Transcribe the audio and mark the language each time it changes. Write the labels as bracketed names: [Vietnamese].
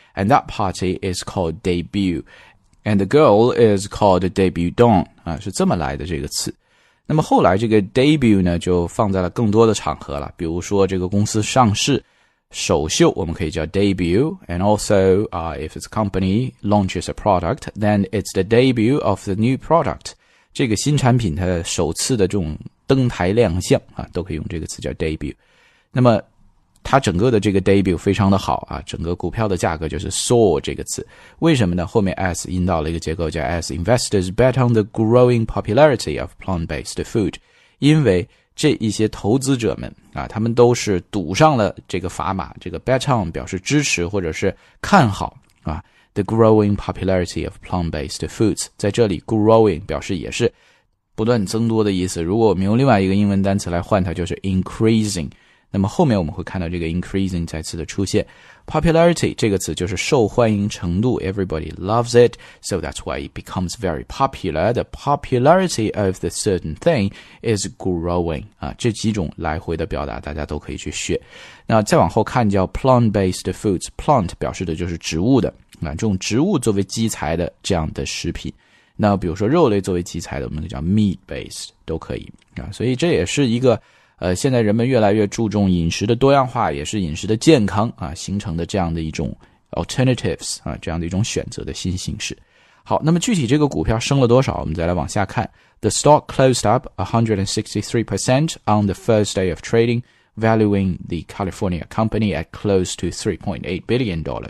[English] And that party is called debut. And the girl is called debut dawn.、 [Chinese] 啊、是这么来的这个词。那么后来这个 debut 呢就放在了更多的场合了。比如说这个公司上市首秀我们可以叫 [English] debut, and also,if it's a company launches a product, then it's the debut of the new product. [Chinese] 这个新产品它首次的这种登台亮相啊，都可以用这个词叫 debut。那么它整个的这个 debut 非常的好啊，整个股票的价格就是 soar 这个词。为什么呢？后面 as 引导了一个结构叫 [English] as investors bet on the growing popularity of plant-based food， [Chinese] 因为这一些投资者们啊，他们都是赌上了这个砝码，这个 bet on 表示支持或者是看好啊。 [English] The growing popularity of plant-based foods. [Chinese] 在这里 growing 表示也是不断增多的意思。如果我们用另外一个英文单词来换它就是 increasing. 那么后面我们会看到这个 increasing 再次的出现。Popularity 这个词就是受欢迎程度 , [English] everybody loves it, so that's why it becomes very popular. The popularity of the certain thing is growing. [Chinese] 啊，这几种来回的表达大家都可以去学。那再往后看叫 plant-based foods. Plant 表示的就是植物的。这种植物作为基材的这样的食品，那比如说肉类作为基材的我们叫 meat based 都可以、啊、所以这也是一个现在人们越来越注重饮食的多样化，也是饮食的健康啊，形成的这样的一种 alternatives、啊、这样的一种选择的新形式。好，那么具体这个股票升了多少我们再来往下看。 [English] The stock closed up 163% on the first day of trading, valuing the California company at close to $3.8 billion.